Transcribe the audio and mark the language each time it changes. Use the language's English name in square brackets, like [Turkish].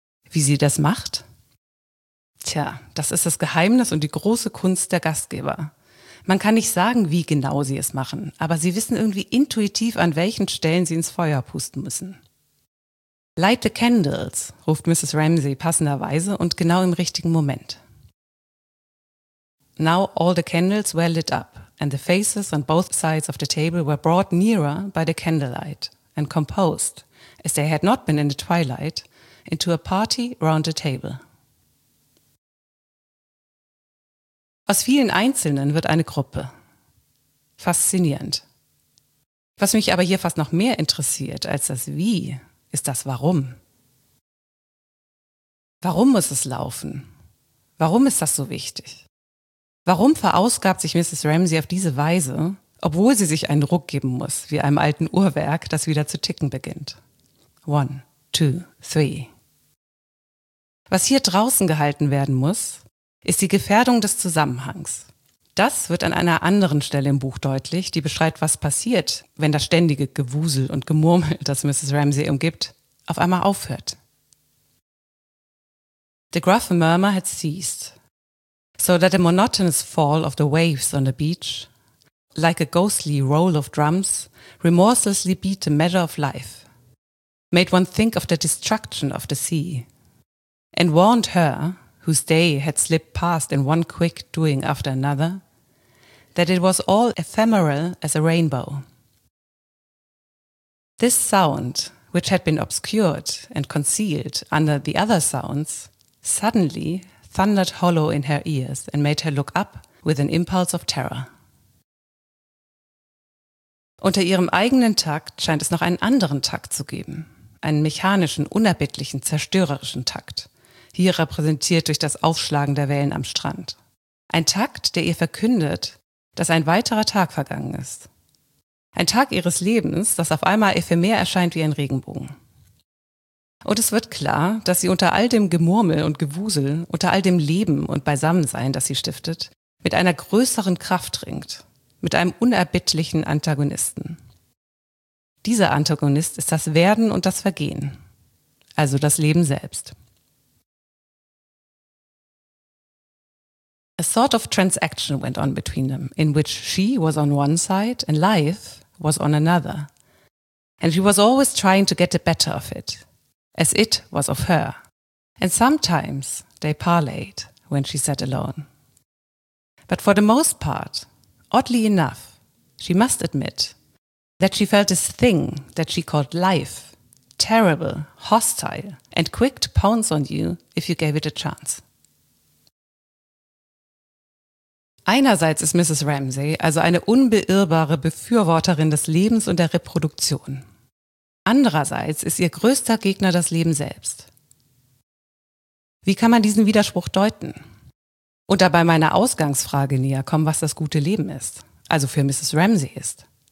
[German] Wie sie das macht? Tja, das ist das Geheimnis und die große Kunst der Gastgeber. Man kann nicht sagen, wie genau sie es machen, aber sie wissen irgendwie intuitiv, an welchen Stellen sie ins Feuer pusten müssen. [English] Light the candles, [German] ruft Mrs. Ramsay passenderweise und genau im richtigen Moment. [English] Now all the candles were lit up, and the faces on both sides of the table were brought nearer by the candlelight and composed, as they had not been in the twilight, into a party round the table. [German] Aus vielen Einzelnen wird eine Gruppe. Faszinierend. Was mich aber hier fast noch mehr interessiert als das Wie, ist das Warum. Warum muss es laufen? Warum ist das so wichtig? Warum verausgabt sich Mrs. Ramsay auf diese Weise obwohl sie sich einen Ruck geben muss, wie einem alten Uhrwerk, das wieder zu ticken beginnt. [English] One, two, three. [German] Was hier draußen gehalten werden muss, ist die Gefährdung des Zusammenhangs. Das wird an einer anderen Stelle im Buch deutlich, die beschreibt, was passiert, wenn das ständige Gewusel und Gemurmel, das Mrs. Ramsay umgibt, auf einmal aufhört. [English] The gruff murmur had ceased, so that the monotonous fall of the waves on the beach, like a ghostly roll of drums, remorselessly beat the measure of life, made one think of the destruction of the sea, and warned her, whose day had slipped past in one quick doing after another, that it was all ephemeral as a rainbow. This sound, which had been obscured and concealed under the other sounds, suddenly thundered hollow in her ears and made her look up with an impulse of terror. [German] Unter ihrem eigenen Takt scheint es noch einen anderen Takt zu geben, einen mechanischen, unerbittlichen, zerstörerischen Takt, hier repräsentiert durch das Aufschlagen der Wellen am Strand. Ein Takt, der ihr verkündet, dass ein weiterer Tag vergangen ist. Ein Tag ihres Lebens, das auf einmal ephemer erscheint wie ein Regenbogen. Und es wird klar, dass sie unter all dem Gemurmel und Gewusel, unter all dem Leben und Beisammensein, das sie stiftet, mit einer größeren Kraft ringt, mit einem unerbittlichen Antagonisten. Dieser Antagonist ist das Werden und das Vergehen, also das Leben selbst. [English] A sort of transaction went on between them, in which she was on one side and life was on another. And she was always trying to get the better of it, as it was of her. And sometimes they parleyed when she sat alone. But for the most part, oddly enough, she must admit that she felt this thing that she called life terrible, hostile, and quick to pounce on you if you gave it a chance. [German] Einerseits ist Mrs. Ramsay also eine unbeirrbare Befürworterin des Lebens und der Reproduktion. Andererseits ist ihr größter Gegner das Leben selbst. Wie kann man diesen Widerspruch deuten? Und dabei meiner Ausgangsfrage näher kommen, was das gute Leben ist, also für Mrs. Ramsay ist.